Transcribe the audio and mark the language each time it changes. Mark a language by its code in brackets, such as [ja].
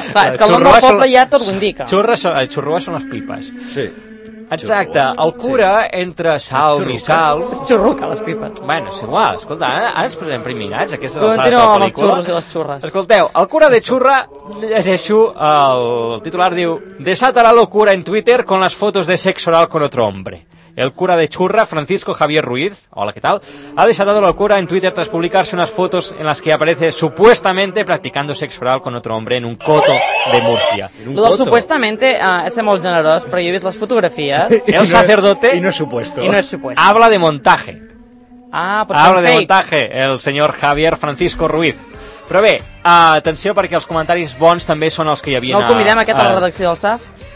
[ca] És que el nom del poble ja tot ho indica. Xurra són les pipes. Sí. Exacte, el cura entre salm i salm... Es xurruca, les pipes. Bueno, és igual, escolta, ara ens posarem primirats, aquesta de les sales de la pel·lícula. Continuem amb els xurros i les xurres. Escolteu, el cura de xurra, llegeixo, el titular diu... [es] Desata la locura en Twitter con las fotos de sexo oral con otro hombre. El cura de Churra, Francisco Javier Ruiz, hola, ¿qué tal?, ha desatado la locura en Twitter tras publicarse unas fotos en las que aparece supuestamente practicando sexo oral con otro hombre en un coto de Murcia. Lo del supuestamente es [ca] ser molt generós, però jo he vist les fotografies. [es] El sacerdote... I no es supuesto. I no es supuesto. Habla de montaje. [ca] Ah, pot ser [es] habla de montaje, [ca] el senyor Javier Francisco Ruiz. Però bé, atenció, perquè els comentaris bons també són els que hi havia... No el convidem aquest a la redacció del SAF?